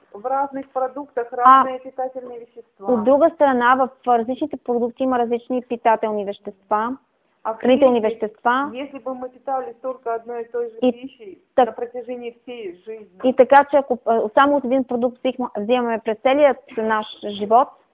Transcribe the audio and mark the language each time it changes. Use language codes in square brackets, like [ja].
[ru] В разных продуктах разные питательные вещества. [bg] От друга страна, в различните продукти има различни питателни вещества. Хранителни вещества. [ru] Если бы мы питались только одной и той же пищей так, на протяжении всей жизни. [bg] И така, че ако само от един продукт взимаме през целия наш живот,